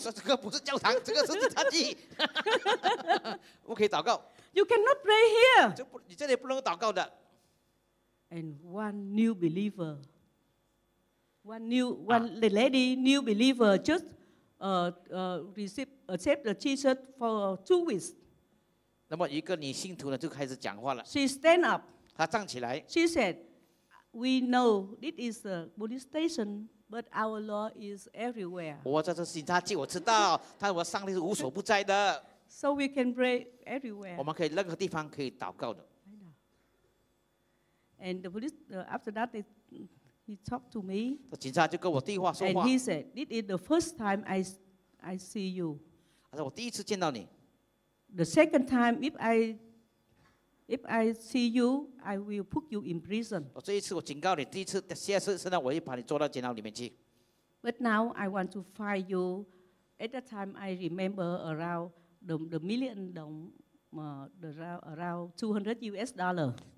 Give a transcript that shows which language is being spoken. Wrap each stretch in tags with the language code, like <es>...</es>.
<zh>说这个不是教堂，这个是警察局。不可以祷告。</zh> <en>You cannot pray here.</en> <zh>你这里不能祷告的。</zh> <en>And one new believer just accept the Jesus for 2 weeks.</en> <zh>那么一个女信徒呢就开始讲话了。</zh> <en>She stand up.</en> <zh>她站起来。</zh> <en>She said, "We know this is a police station, but our Lord is everywhere."</en> <zh>我在这警察局，我知道，但我上帝是无所不在的。</zh> <en>So we can pray everywhere.</en> <zh>我们可以任何地方可以祷告的。</zh> <en>And the police after that he talked to me.</en> <zh>警察就跟我对话说话。</zh> <en>And he said, "This is the first time I see you."</en> <zh>他说我第一次见到你。</zh> <en>The second time, if I see you, I will put you in prison.</en> <zh>我这一次我警告你，第一次，下次现在我就把你抓到监牢里面去。</zh> <en>But now I want to find you. At that time, I remember around the million dong, around $200.</en>